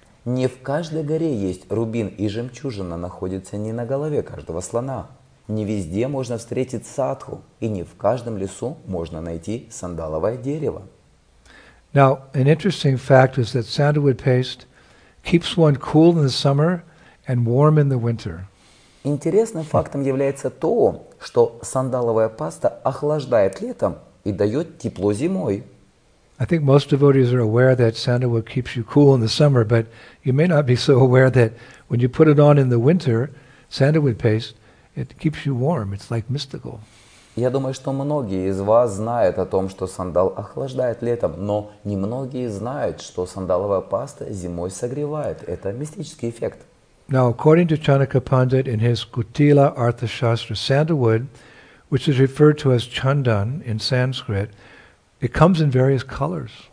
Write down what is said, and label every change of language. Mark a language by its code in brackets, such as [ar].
[ru] Не в каждой горе есть рубин и жемчужина находится не на голове каждого слона. Не везде можно встретить садху, и не в каждом лесу можно найти сандаловое дерево. [en] Now, an interesting fact is that sandalwood paste keeps one cool in the summer and warm in the winter. [ru] Интересным фактом является то, что сандаловая паста охлаждает летом и дает тепло зимой. [en] I think most devotees are aware that sandalwood keeps you cool in the summer, but you may not be so aware that when you put it on in the winter, sandalwood paste, it keeps you warm. It's like mystical. [ru] Я думаю, что многие из вас знают о том, что сандал охлаждает летом, но немногие знают, что сандаловая паста зимой согревает. Это мистический эффект. [en] Now, according to Chanaka Pandit in his Kutila Arthashastra, sandalwood, which is referred to as chandan in Sanskrit, it comes in various colors.